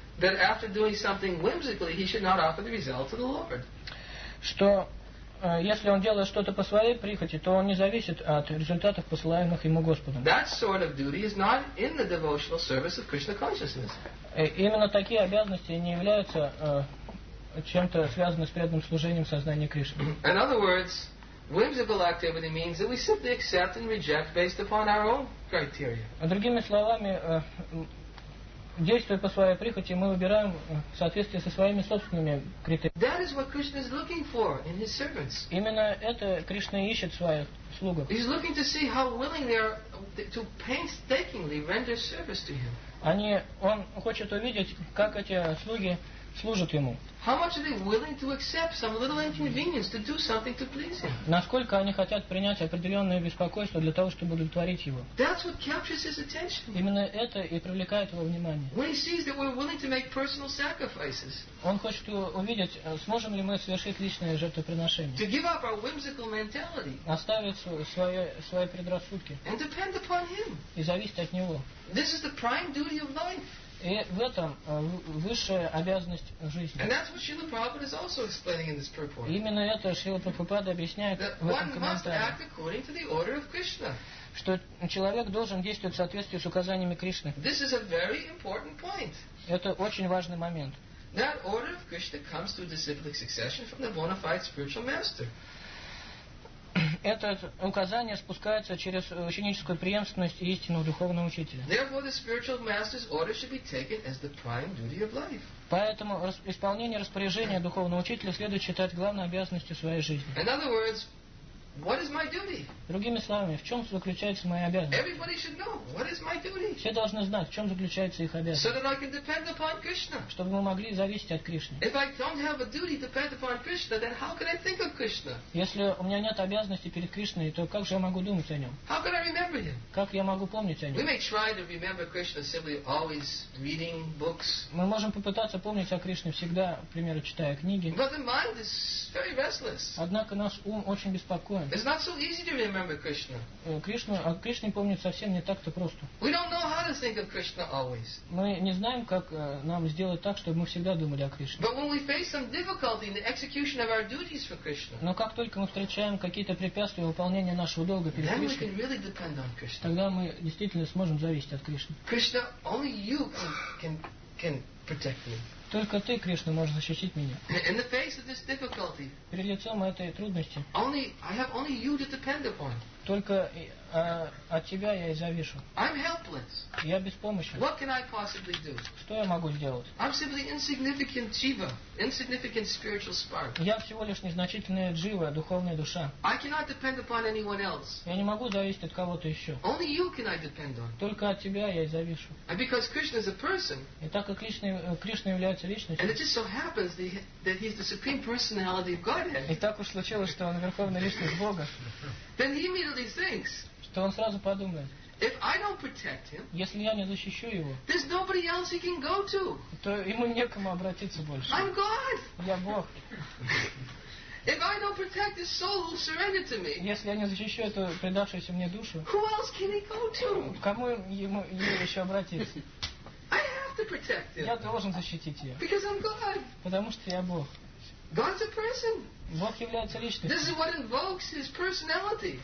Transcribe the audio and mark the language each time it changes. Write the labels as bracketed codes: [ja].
[en] that after doing something whimsically, he should not offer the result to the Lord. [ru] Что если он делает что-то по своей прихоти, то он не зависит от результатов, посылаемых ему Господом. [en] That sort of duty is not in the devotional service of Krishna consciousness. [ru] Именно такие обязанности не являются чем-то связанным с преданным служением сознания Кришны. [en] In other words, whimsical activity means that we simply accept and reject based upon our own criteria. [ru] Другими словами, действуя по своей прихоти, мы выбираем в соответствии со своими собственными критериями. [en] That is what Krishna is looking for in his servants. [ru] Именно это Кришна ищет в своих слугах. [en] He's looking to see how willing they are to painstakingly render service to him. [ru] Он хочет увидеть, как эти слуги служат ему. [en] How much are they willing to accept some little inconvenience to do something to please him? [ru] Насколько они хотят принять определенное беспокойство для того, чтобы удовлетворить его? [en] That's what captures his attention. [ru] Именно это и привлекает его внимание. [en] When he sees that we're willing to make personal sacrifices. [ru] Он хочет увидеть, сможем ли мы совершить личное жертвоприношение. [en] To give up our whimsical mentality. [ru] Оставить свои предрассудки. [en] And depend upon him. [ru] И зависеть от него. [en] This is the prime duty of life. [ru] И в этом высшая обязанность жизни. [en] And that's what Srila Prabhupada is also explaining in this purport. [ru] Именно это Шрила Прабхупада объясняет в этом комментарии. [en] That one must act according to the order of Krishna. [ru] Что человек должен действовать в соответствии с указаниями Кришны. [en] This is a very important point. [ru] Это очень важный момент. [en] That order of Krishna comes through disciplic succession from the bona fide spiritual master. [ru] Это указание спускается через ученическую преемственность истинного духовного учителя. [en] Therefore, the spiritual master's order should be taken as the prime duty of life. [ru] Поэтому исполнение распоряжения духовного учителя следует считать главной обязанностью своей жизни. [en] In other words, what is my duty? [ru] Другими словами, в чем заключается моя обязанность? [en] Everybody should know what is my duty. [ru] Все должны знать, в чем заключается их обязанность. [en] So that I can depend upon Krishna. [ru] Чтобы мы могли зависеть от Кришны. [en] If I don't have a duty to depend upon Krishna, then how can I think of Krishna? [ru] Если у меня нет обязанности перед Кришной, то как же я могу думать о нем? [en] How can I remember him? [ru] Как я могу помнить о нем? [en] We may try to remember Krishna simply always reading books. [ru] Мы можем попытаться помнить о Кришне всегда, к примеру, читая книги. [en] But the mind is very restless. [ru] Однако наш ум очень беспокоен. [en] It's not so easy to remember Krishna. [ru] Кришну, о Кришне помнить совсем не так-то просто. [en] We don't know how to think of Krishna always. [ru] Мы не знаем, как нам сделать так, чтобы мы всегда думали о Кришне. [en] But when we face some difficulty in the execution of our duties for Krishna. [ru] Но как только мы встречаем какие-то препятствия в выполнении нашего долга перед [en] then [ru] Кришной, [en] we can really depend on Krishna. [ru] Тогда мы действительно сможем зависеть от Кришны. [en] Krishna, only you can protect me. [ru] Только ты, Кришна, можешь защитить меня. [en] In the face of this difficulty. [ru] Перед лицом этой трудности. [en] Only, I have only you to depend upon. [ru] Только от тебя я и завишу. [en] I'm helpless. [ru] Я беспомощен. [en] What can I possibly do? [ru] Что я могу сделать? [en] I'm simply insignificant jiva, insignificant spiritual spark. [ru] Я всего лишь незначительная джива, духовная душа. [en] I cannot depend upon anyone else. [ru] Я не могу зависеть от кого-то еще. [en] Only you can I depend on. [ru] Только от тебя я и завишу. [en] And because Krishna is a person. [ru] И так как Кришна является личностью. [en] And it just so happens that he's the supreme personality of Godhead. [ru] И так уж случилось, что он верховная личность Бога. [en] Then he immediately thinks. [ru] Что он сразу подумает. [en] If I don't protect him. [ru] Если я не защищу его. [en] There's nobody else he can go to. [ru] То ему некому обратиться больше. [en] I'm God. [ru] Я Бог. [en] If I don't protect his soul who surrendered to me. [ru] Если я не защищу эту предавшуюся мне душу. [en] Who else can he go to? [ru] Кому ему еще обратиться? [en] I have to protect him. [ru] Я должен защитить ее. [en] Because I'm God. [ru] Потому что я Бог. [en] God's a person. [ru] Бог является личностью. [en] This is what invokes his personality.